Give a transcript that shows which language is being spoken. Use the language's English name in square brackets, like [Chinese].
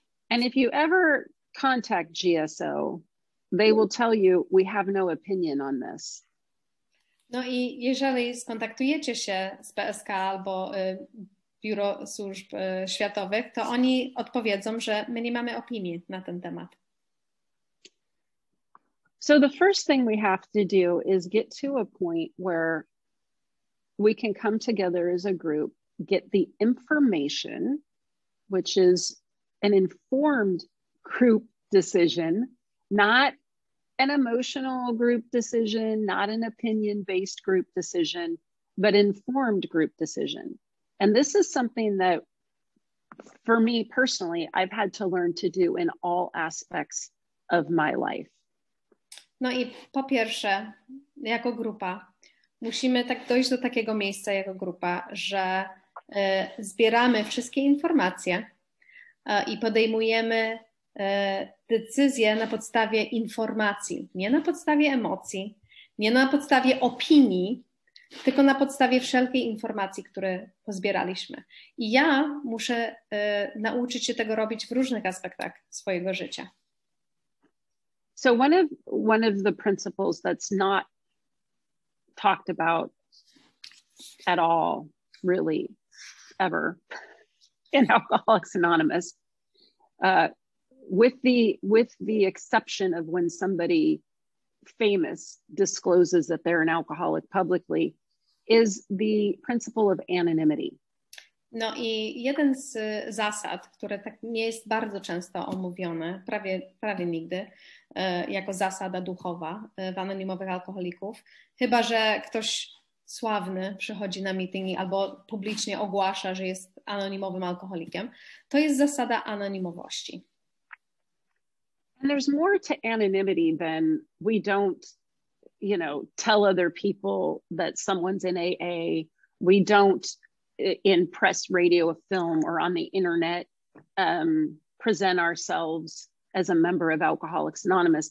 [English] And if you ever contact GSO, they will tell you, we have no opinion on this. [Polish] No i jeżeli skontaktujecie się z PSK albo Biuro Służb Światowych, to oni odpowiedzą, że my nie mamy opinii na ten temat. [English] So the first thing we have to do is get to a point where we can come together as a group, get the information, which is an informed group decision, not an emotional group decision, not an opinion-based group decision, but informed group decision. And this is something that, for me personally, I've had to learn to do in all aspects of my life. [Polish] No i po pierwsze, jako grupa, musimy tak dojść do takiego miejsca jako grupa, że zbieramy wszystkie informacje i podejmujemy decyzje na podstawie informacji, nie na podstawie emocji, nie na podstawie opinii, tylko na podstawie wszelkiej informacji, które pozbieraliśmy. I ja muszę nauczyć się tego robić w różnych aspektach swojego życia. [English] So one of the principles that's not talked about at all, really, ever in Alcoholics Anonymous. With the exception of when somebody famous discloses that they're an alcoholic publicly, is the principle of anonymity. [Polish] No i jeden z zasad, które tak nie jest bardzo często omówione, prawie nigdy, jako zasada duchowa w anonimowych alkoholików, chyba że ktoś sławny przychodzi na meetingi albo publicznie ogłasza, że jest anonimowym alkoholikiem, to jest zasada anonimowości. [English] And there's more to anonymity than we don't, you know, tell other people that someone's in AA. We don't in press, radio, a film or on the internet present ourselves as a member of Alcoholics Anonymous.